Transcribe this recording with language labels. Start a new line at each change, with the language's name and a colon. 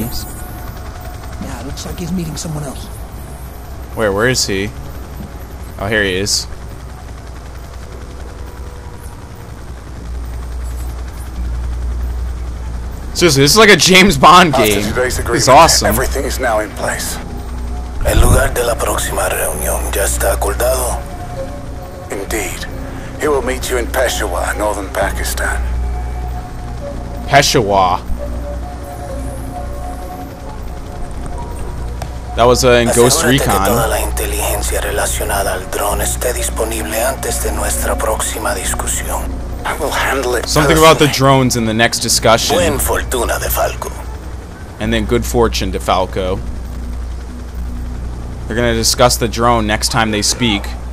English: Yeah, it looks like he's meeting someone else. Where is he? Oh, here he is. Seriously, this is like a James Bond game. It's awesome. Everything is now in place.
Spanish: El lugar de la próxima reunión ya está acordado.
English: Indeed. He will meet you in Peshawar, northern Pakistan. Peshawar. That was in Ghost Recon.
Spanish: Asegúrate que toda la inteligencia relacionada al drone esté disponible antes de nuestra próxima discusión.
English: I will handle it. Something about the drones in the next discussion.
Spanish: Buen fortuna, DeFalco.
English: And then good fortune, DeFalco. They're going to discuss the drone next time they speak.